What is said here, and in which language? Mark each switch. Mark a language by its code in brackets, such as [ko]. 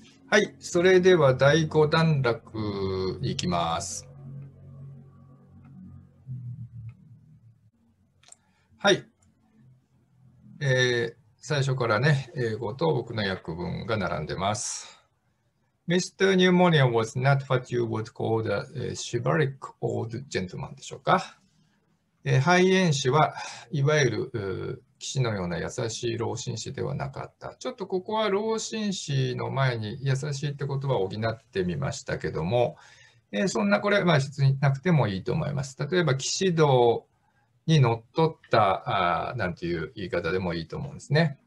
[ja] はい、それでは第5段落いきます。はい、最初からね、英語と僕の訳文が並んでます。 [en] Mr. Pneumonia was not what you would call a chivalric old gentleman [ja] でしょうか。肺炎師は、いわゆる騎士のような優しい老紳士ではなかった。ちょっとここは老紳士の前に優しいって言葉を補ってみましたけども、そんなこれは必要なくてもいいと思います。例えば騎士道にのっとったなんていう言い方でもいいと思うんですね。